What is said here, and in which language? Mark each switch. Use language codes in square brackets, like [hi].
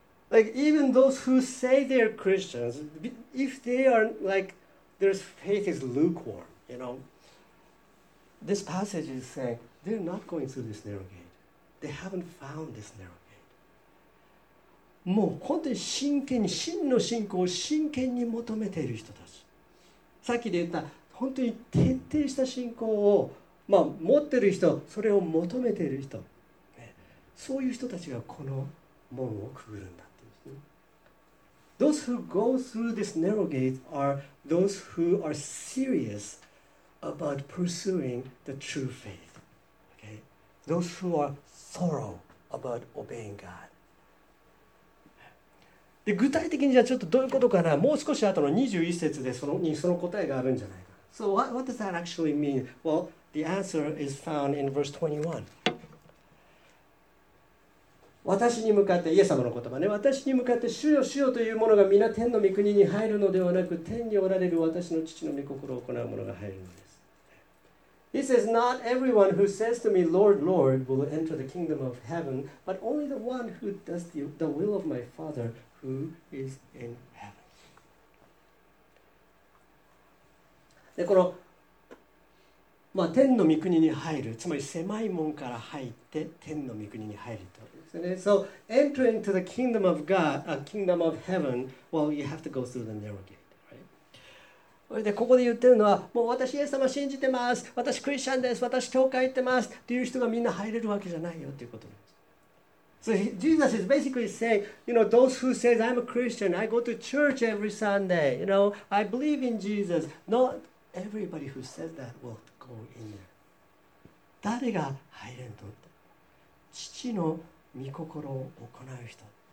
[en] Like even those who say they're Christians, if they are likeTheir faith is lukewarm, you know. This passage is saying they're not going through this narrow gate. They haven't found this narrow gate. [ja] もう本当に真剣に、真の信仰を真剣に求めている人たち。さっきで言った本当に徹底した信仰を、まあ、持っている人、それを求めている人、ね、そういう人たちがこの門をくぐるんだ。 [en] Those who go through this narrow gate are those who are serious about pursuing the true faith. Okay? Those who are thorough about obeying God. [ja] で、具体的にじゃあちょっとどういうことかな？もう少し後の21節でその答えがあるんじゃないか。 [en] So what does that actually mean? Well, the answer is found in verse 21. [ja] 私に向かってイエス様の言葉ね、私に向かって主よ主よというものが皆天の御国に入るのではなく、天におられる私の父の御心を行うものが入るのです。 [en] He says not everyone who says to me Lord Lord will enter the kingdom of heaven but only the one who does the will of my father who is in heaven。 [ja] でこの、まあ、天の御国に入る、つまり狭い門から入って天の御国に入ると [en] So entering to the kingdom of God, a kingdom of heaven, well, you have to go through the narrow gate, right? [ja] それでここで言ってるのは、もう私イエス様信じてます、私クリスチャンです、私教会行ってますっていう人がみんな入れるわけじゃないよっていうことなんです。 [en] So Jesus is basically saying, you know, those who say I'm a Christian, I go to church every Sunday, you know, I believe in Jesus, not everybody who says that will go in there. [ja] 誰が入れんと？父の御心を行う人。